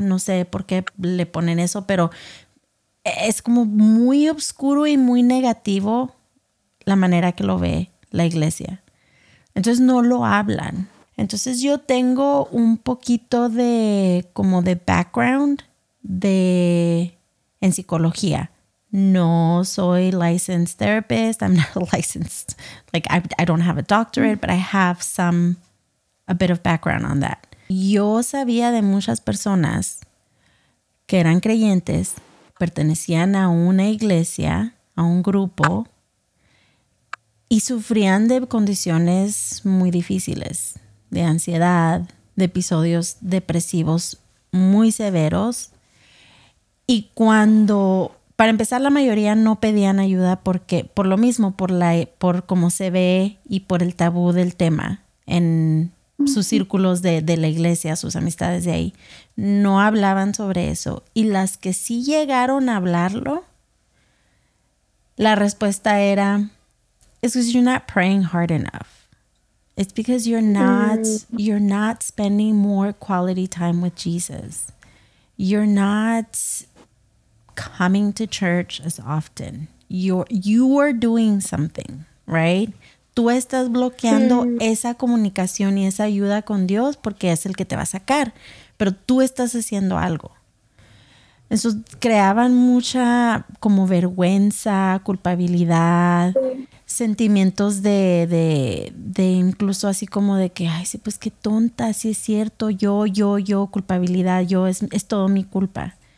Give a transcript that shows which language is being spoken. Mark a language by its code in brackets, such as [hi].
[es] No sé por qué le ponen eso, pero es como muy oscuro y muy negativo la manera que lo ve la iglesia. Entonces no lo hablan. Entonces yo tengo un poquito de como de background en psicología. No soy [en] licensed therapist. I'm not licensed. Like, I don't have a doctorate, but I have a bit of background on that. [es] Yo sabía de muchas personas que eran creyentes, pertenecían a una iglesia, a un grupo, y sufrían de condiciones muy difíciles, de ansiedad, de episodios depresivos muy severos. Y cuando... Para empezar, la mayoría no pedían ayuda porque, por lo mismo, por cómo se ve y por el tabú del tema en sus círculos de la iglesia, sus amistades de ahí, no hablaban sobre eso. Y las que sí llegaron a hablarlo, la respuesta era, [en] it's because you're not praying hard enough. It's because you're not spending more quality time with Jesus. You're not coming to church as often. You are doing something, right? [es] Tú estás bloqueando esa comunicación y esa ayuda con Dios porque es el que te va a sacar, pero tú estás haciendo algo. Eso creaban mucha como vergüenza, culpabilidad, sentimientos de incluso así como de que, ay, sí, pues qué tonta, sí es cierto, yo, culpabilidad, yo, es todo mi culpa.